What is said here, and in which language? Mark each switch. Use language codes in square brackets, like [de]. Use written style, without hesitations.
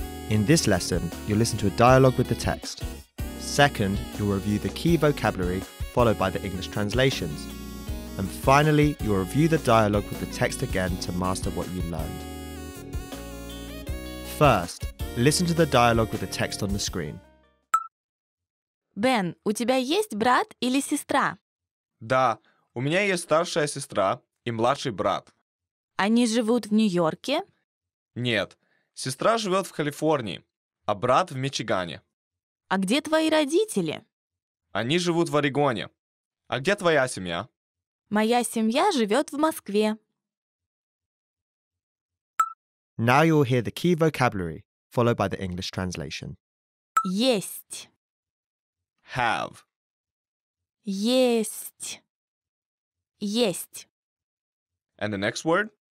[en] In this lesson, you'll listen to a dialogue with the text. Second, you'll review the key vocabulary followed by the English translations. And finally, you'll review the dialogue with the text again to master what you learned. First, listen to the dialogue with the text on the screen. [ru] Бен, у тебя есть брат или сестра? Да, у меня есть старшая сестра и младший брат. Они живут в Нью-Йорке? Нет, сестра живет в Калифорнии, а брат в Мичигане. А где твои родители? Они живут в Орегоне. А где твоя семья? Моя семья живет в Москве. [en] Now you will hear the key vocabulary, followed by the English translation. [ru] Есть. [en] have. [ru] Есть. Есть. [en] And the next word?